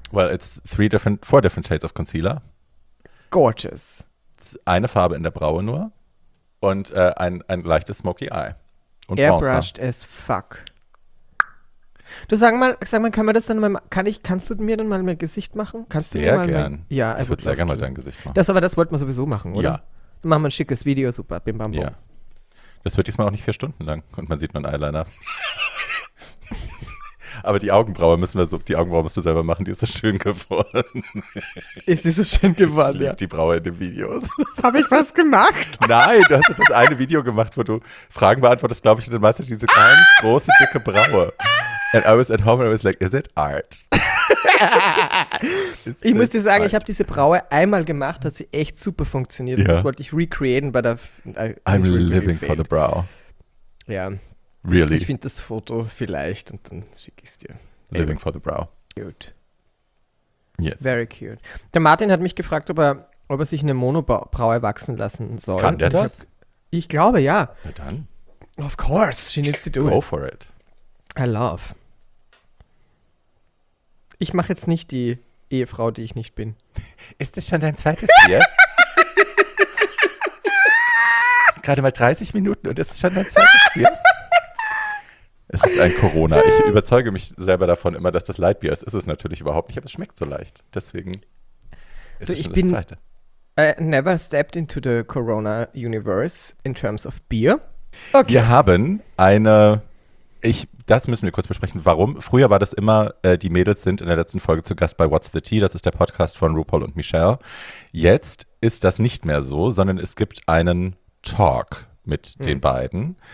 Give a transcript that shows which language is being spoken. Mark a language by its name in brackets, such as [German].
[English] Well, it's four different shades of concealer. Gorgeous. [German] Eine Farbe in der Braue nur und ein leichtes smoky eye. Und [English] airbrushed as fuck. [German] Du sag mal, kann man das dann mal, kannst du mir dann mal mein Gesicht machen? Kannst sehr du mir mal gern. Ja, ich würde sehr gerne mal dein Gesicht machen. Das wollten wir sowieso machen, oder? Ja. Dann machen wir ein schickes Video, super, bim bam bum. Ja. Das wird diesmal auch nicht 4 Stunden lang und man sieht nur einen Eyeliner. Aber die Augenbraue müssen wir so, die Augenbraue musst du selber machen, die ist so schön geworden. Ist sie so schön geworden, ja. Die Braue in den Videos. Habe ich was gemacht? Nein, du hast das eine Video gemacht, wo du Fragen beantwortest, glaube ich, und dann meinst du diese ganz große, dicke Braue. [English] And I was at home and I was like, is it art? [German] Ich muss dir sagen, ich habe diese Braue einmal gemacht, hat sie echt super funktioniert. [English] Yeah. [German] Das wollte ich recreaten bei der... [English] I'm living for the brow. [German] Ja. [English] Really? [German] Ich finde das Foto vielleicht und dann schicke ich es dir. [English] Living for the brow. Cute. Yes. Very cute. [German] Der Martin hat mich gefragt, ob er sich eine Monobraue wachsen lassen soll. Kann der das? Ich glaube, ja. Na dann. [English] Of course, she needs to do Go it. Go for it. I love. [German] Ich mache jetzt nicht die Ehefrau, die ich nicht bin. Ist das schon dein zweites Bier? Es sind gerade mal 30 Minuten und das ist schon dein zweites Bier? Es ist ein Corona. Ich überzeuge mich selber davon immer, dass das Lightbier ist. Ist es natürlich überhaupt nicht, aber es schmeckt so leicht. Deswegen ist es schon das Zweite. [English] I never stepped into the Corona universe in terms of beer. Okay. [German] Wir haben eine, das müssen wir kurz besprechen, warum. Früher war das immer, die Mädels sind in der letzten Folge zu Gast bei What's the Tea. Das ist der Podcast von RuPaul und Michelle. Jetzt ist das nicht mehr so, sondern es gibt einen Talk mit den beiden.